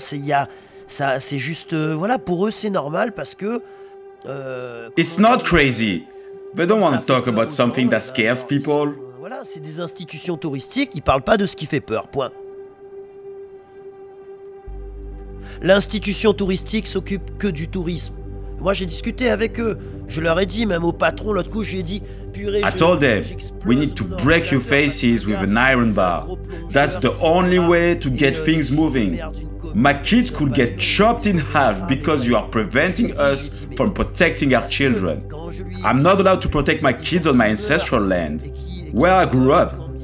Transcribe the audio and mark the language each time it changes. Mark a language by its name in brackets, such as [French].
[French] C'est juste, voilà, pour eux, c'est normal parce que... [English] It's not crazy. They don't want to talk about something that scares people. [French] Voilà, c'est des institutions touristiques. Ils parlent pas de ce qui fait peur, point. L'institution touristique s'occupe que du tourisme. Moi, j'ai discuté avec eux. Je leur ai dit, même au patron, l'autre coup, je lui ai dit, purée, [English] I told them, we need to break your faces with an iron bar. That's the only way to get things moving. My kids could get chopped in half because you are preventing us from protecting our children. I'm not allowed to protect my kids on my ancestral land, where I grew up.